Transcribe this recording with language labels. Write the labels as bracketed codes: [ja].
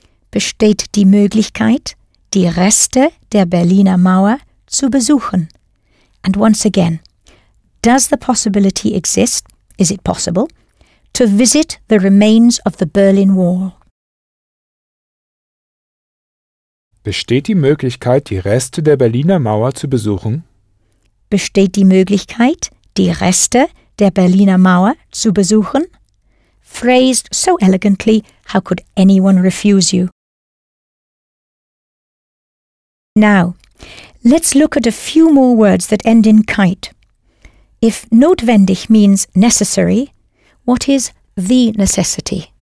[de] Besteht die Möglichkeit, die Reste der Berliner Mauer zu besuchen? [en] And once again, does the possibility exist, is it possible, to visit the remains of the Berlin Wall? [de] Besteht die Möglichkeit, die Reste der Berliner Mauer zu besuchen? Besteht die Möglichkeit, die Reste der Berliner Mauer zu besuchen? [en] Phrased so elegantly, how could anyone refuse you? Now, let's look at a few more words that end in kite. If notwendig means necessary, what is the necessity?